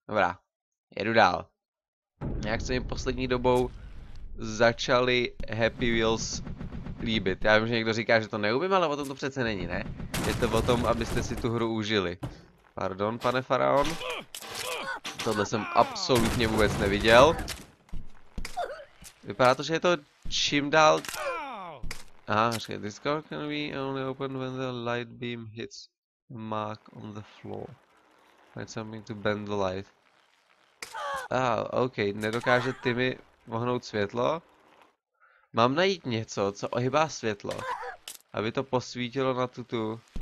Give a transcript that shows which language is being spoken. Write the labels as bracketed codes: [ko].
[cs] Dobrá, jedu dál. Nějak se mi poslední dobou začaly Happy Wheels líbit. Já vím, že někdo říká, že to neumím, ale o tom to přece není, ne? Je to o tom, abyste si tu hru užili. Pardon, pane faraon. Tohle jsem absolutně vůbec neviděl. Vypadá to, že je to čím dál... [en] Aha, this car can be only opened when the light beam hits the mark on the floor. Find something to bend the light. [cs] Okay, nedokáže ty mi ohnout světlo? Mám najít něco, co ohýbá světlo, aby to posvítilo na tutu.